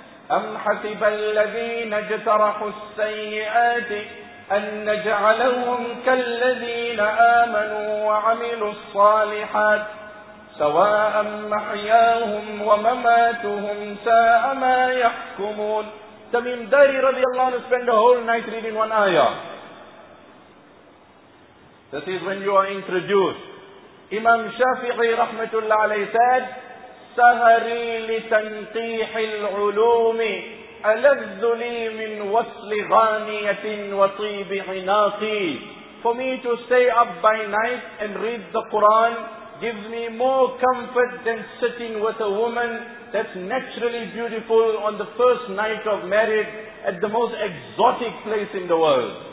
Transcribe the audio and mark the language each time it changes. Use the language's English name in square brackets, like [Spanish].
[Arabic] أَمْ حَسِبَ الَّذِينَ اجْتَرَحُوا السَّيِّئَاتِ أَنْ نَجْعَلَهُمْ كَالَّذِينَ آمَنُوا وَعَمِلُوا الصَّالِحَاتِ سَوَاءً مَحْيَاهُمْ وَمَمَاتُهُمْ سَاءَ مَا يَحْكُمُونَ. [English] Tamim Dari radiallahu anhu spend a whole night reading one ayah. This is when you are introduced. Imam Shafi'i rahmatullah alayhi said, [Arabic] سهري لتنقيح العلوم ألذ لي من وصل غانية وطيب عناقي. [English] For me to stay up by night and read the Quran gives me more comfort than sitting with a woman that's naturally beautiful on the first night of marriage at the most exotic place in the world.